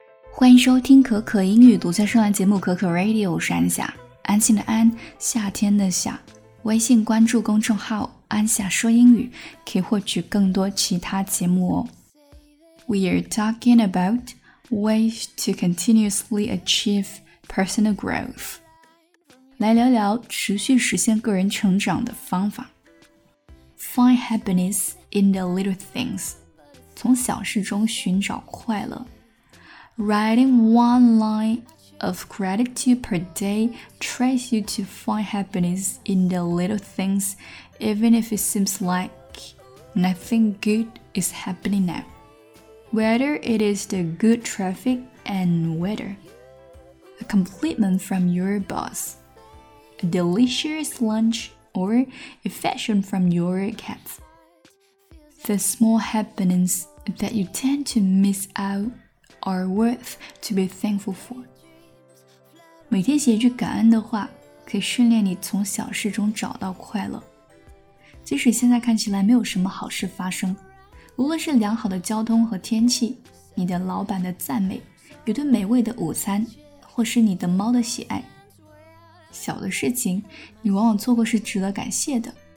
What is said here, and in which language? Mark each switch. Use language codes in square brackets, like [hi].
[zh] 欢迎收听可可英语独家专栏节目可可 Radio， 我是安夏，安心的安，夏天的夏。微信关注公众号安夏说英语，可以获取更多其他节目哦。 [en] We are talking about ways to continuously achieve personal growth， [zh] 来聊聊持续实现个人成长的方法。 [en] Find happiness in the little things， [zh] 从小事中寻找快乐。 [en] Writing one line of gratitude per day tries you to find happiness in the little things, even if it seems like nothing good is happening now. Whether it is the good traffic and weather, a compliment from your boss, a delicious lunch, or affection from your cat. The small happiness that you tend to miss outare worth to be thankful for. [zh] 每天写一句感恩的话，可以训练你从小事中找到快乐。即使现在看起来没有什么好事发生，无论是良好的交通和天气，你的老板的赞美，一顿美味的午餐，或是你的猫的喜爱，小的事情你往往错过是值得感谢的。